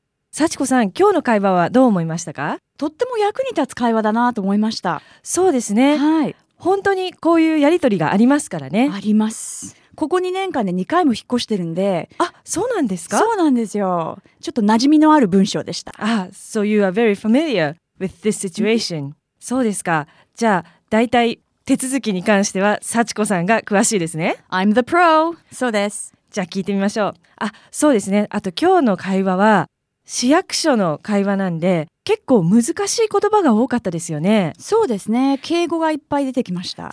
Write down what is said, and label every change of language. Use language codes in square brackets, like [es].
[ja] 幸子さん、今日の会話はどう思いましたか。とっても役に立つ会話だなと思いました。そうですね、はい、本当にこういうやり取りがありますからね。あります。ここ2年間で2回も引っ越してるんで。あ、そうなんですか。そうなんですよ。ちょっと馴染みのある文章でした。 [en] あ、So you are very familiar with this situation. [ja] そうですか。じゃあだいたい手続きに関しては幸子さんが詳しいですね。 [en] I'm the pro. [ja] そうです。じゃあ聞いてみましょう。あ、そうですね。あと今日の会話は市役所の会話なんで結構難しい言葉が多かったですよね。そうですね、敬語がいっぱい出てきました。